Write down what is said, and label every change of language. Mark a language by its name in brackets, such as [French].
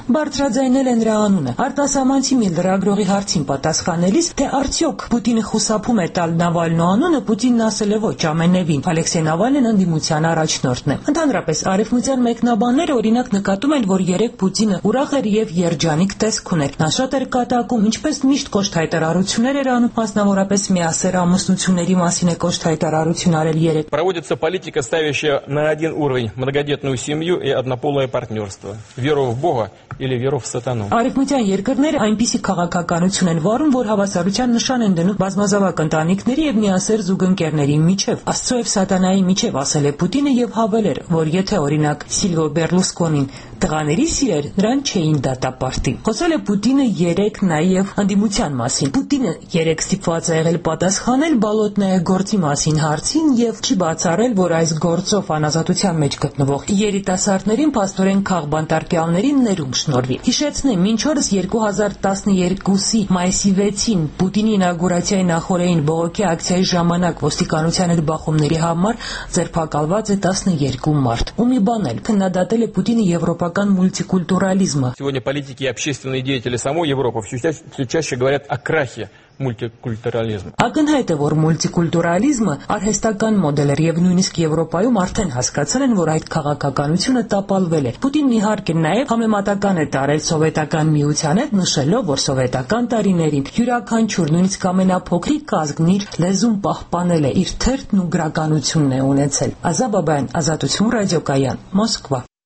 [Armenian] բարձրաձայնել է նրա անունը։ Արտասահմանցի մի լրագրողի հարցին պատասխանելիս, թե արդյոք Պուտինը խուսափում է տալ Նավալյու անունը, Պուտինն ասել է, ոչ, ամենևին Ալեքսեյ Նավալյուն անդիմության առաջնորդն է։ Ընդհանրապես արևմտյան մեկնաբանները, օրինակ, նկատ մեն, որ երեք Պուտինը ուրախ էր եւ երջանիկ տեսք ուներ։ Նա շատ էր կատակում, ինչպես միշտ կոշտ հայտարարություններ էր անում, մասնավորապես միասեր ամուսնությունների մասին է կոշտ հայտարարություն արել երեք։ [Russian] Проводится политика, ставящая на один уровень многодетную семью и однополое партнёрство. Веру в Бога или веру в сатану. [Armenian] Արևմտյան երկրները այնպիսի քաղաքականություն են վարում, որ հավասարության նշան են դնում բազմազավակ ընտանիքների եւ միասեր զուգընկերների միջև, Աստծո եւ սատանայի միջև, ասել է Պուտինը եւ հավել էր, որ եթե օրինակ Սիլվո Բերլուսկոնին տղաների սիրեր, նրան չէին դատապարտի։ Խոսել է Պուտինը երեք նաև հանդիմության մասին։ Պուտինը երեք ստիպված է եղել պատասխանել Բալոտնայի գործի մասին հարցին եւ չի բացառել, որ այս գործով անազատության մեջ գտնվող երիտասարդներին փաստորեն քաղ բանտարկյալներին ներում շնորհվի։ Հիշեցնեմ, ինչ օրս 2012-ի մայիսի 6-ին Պուտինի ինագուրացիայի նախորդային բողոքի ակցիայի ժամանակ ոստիկանության հետ բախումների համար ձերբակալված է 12 մարդ։ Ու մի բան էլ, քննադատել է Պուտինը եւ [Russian] пропаган мультикультурализма. Сегодня политики и общественные деятели самой Европы все чаще говорят о крахе мультикультурализма. [Armenian] Ակնհայտ է, որ մուլտիկուլտուրալիզմը արհեստական մոդել էր եւ նույնիսկ Եվրոպայում արդեն հասկացել են, որ այդ քաղաքականությունը տապալվել է։ Պուտինն իհարկե նաեւ համեմատական է դարձել սովետական միության հետ, նշելով, որ սովետական տարիներին յուրաքանչյուր, նույնիսկ ամենափոքրիկ ազգն իր լեզուն պահպանել է, իր թերթն ու գրականությունն է ունեցել։ Ազաբաբայան, Ազատություն ռադիոկայան, Մոսկվա։